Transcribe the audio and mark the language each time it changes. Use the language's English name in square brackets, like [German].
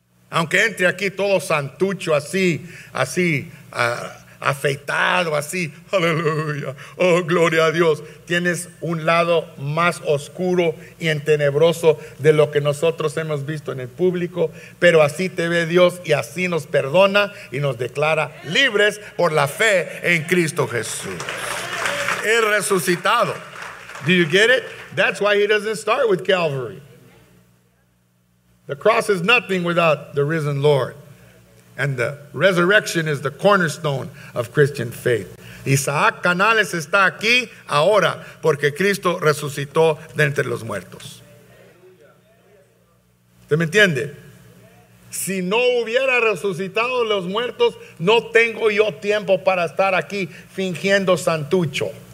[Spanish] aunque entre aquí todo santucho, así afeitado, así, aleluya, oh gloria a Dios, tienes un lado más oscuro y entenebroso de lo que nosotros hemos visto en el público, pero así te ve Dios y así nos perdona y nos declara libres por la fe en Cristo Jesús. El resucitado. [English] Do you get it? That's why he doesn't start with Calvary. The cross is nothing without the risen Lord. And the resurrection is the cornerstone of Christian faith. [Spanish] Isaac Canales está aquí ahora porque Cristo resucitó de entre los muertos. ¿Te me entiende? Si no hubiera resucitado los muertos, no tengo yo tiempo para estar aquí fingiendo santucho.